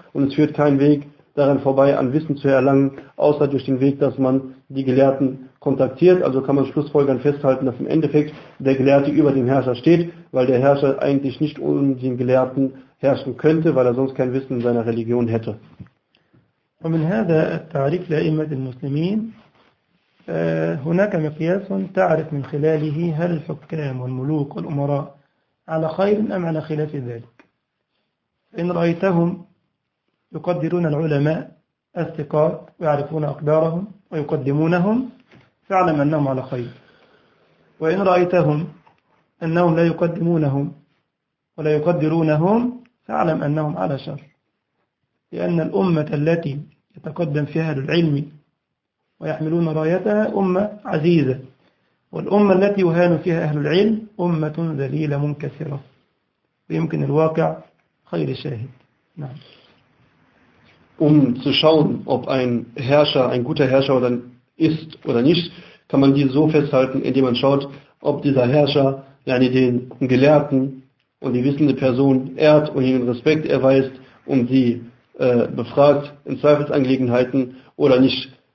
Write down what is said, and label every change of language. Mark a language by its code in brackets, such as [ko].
[de] Und es führt kein Weg daran vorbei, an Wissen zu erlangen, außer durch den Weg, dass man die Gelehrten kontaktiert. Also kann man schlussfolgernd festhalten, dass im Endeffekt der Gelehrte über dem Herrscher steht, weil der Herrscher eigentlich nicht ohne den Gelehrten herrschen könnte, weil er sonst kein Wissen in seiner Religion hätte. [ar] ومن هذا التعريف لأئمة المسلمين هناك مقياس تعرف من خلاله هل الحكام والملوك والأمراء على خير أم على خلاف ذلك. إن رأيتهم يقدرون العلماء الثقات ويعرفون أقدارهم ويقدمونهم فاعلم أنهم على خير، وإن رأيتهم أنهم لا يقدمونهم ولا يقدرونهم فاعلم أنهم على شر، لأن الأمة التي يتقدم فيها أهل العلم ويحملون رايتها أمة عزيزة، والأمة التي يهان فيها أهل العلم أمة ذليلة منكسرة، ويمكن الواقع خير شاهد. نعم. [de] Um zu schauen, ob ein Herrscher ein guter Herrscher oder ist oder nicht, kann man dies so festhalten, indem man schaut, ob dieser Herrscher yani den Gelehrten und die wissende Person ehrt und ihnen Respekt erweist und sie befragt in Zweifelsangelegenheiten oder nicht.